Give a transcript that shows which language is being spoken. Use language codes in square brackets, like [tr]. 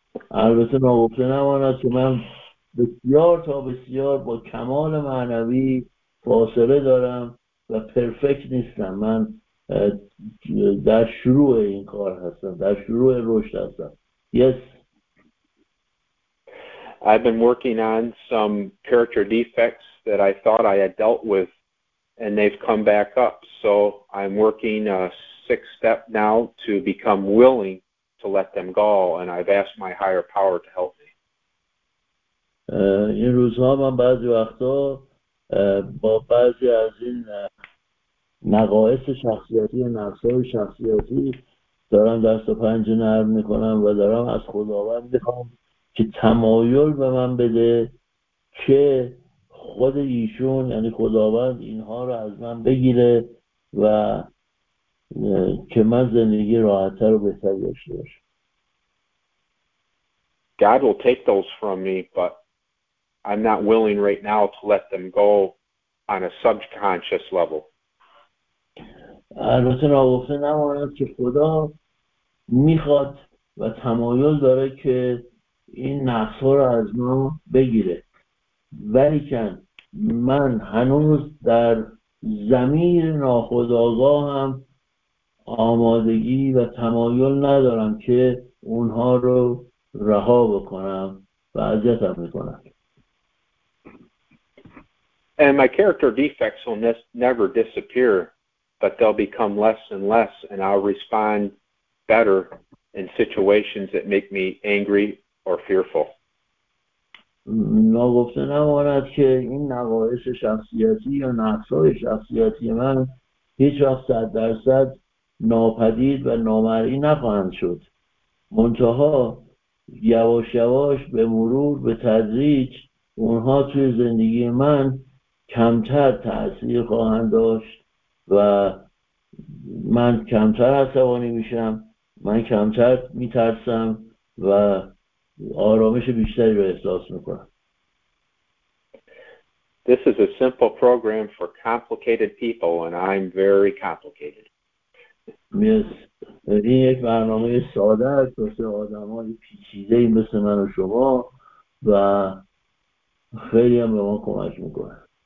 [fa] البته ما گفته نماند که من بسیار تا بسیار با کمال معنوی فاصله دارم و پرفکت نیستم. من در شروع این کار هستم، در شروع رشد هستم. [en] Yes. I've been working on some character defects that I thought I had dealt with, and they've come back up. So I'm working a sixth step now to become willing to let them go, and I've asked my higher power to help me. [fa] این روزها من بعضی وقتا با بعضی از این نقایص شخصیتی و نقص‌های شخصیتی دارم دست و پنجه نرم میکنم و دارم از خداوند میخوام که تمایل به من بده که خود ایشون یعنی خداوند اینها رو از من بگیره و که من زندگی راحتتر و بهتر داشته باشم. [en] God will take those from me, but I'm not willing right now to let them go on a subconscious level. [fa] البته ناگفته نماند که خدا میخواد و تمایل داره که این نقصها رو از ما بگیره، ولیکن من هنوز در ضمیر ناخودآگاهم آمادگی و تمایل ندارم که اونها رو رها بکنم و اذیتم میکنم. [en] And my character defects will never disappear, but they'll become less and less, and I'll respond better in situations that make me angry or fearful. [fa] نگفته نماند که این نقایص شخصیتی یا نقصهای شخصیتی من هیچ وقت 100% ناپدید و نامرئی نخواهند شد، منتها یواش یواش به مرور به تدریج اونها توی زندگی من کمتر تأثیر خواهند داشت و من کمتر عصبانی میشم، من کمتر میترسم و آرامش بیشتری رو احساس میکنم. [en] This is a simple program for complicated people and I'm very complicated. Yes. [fa] این یک برنامه ساده است واسه آدمای پیچیده مثل من و شما و خیلی هم به ما کمک میکنه.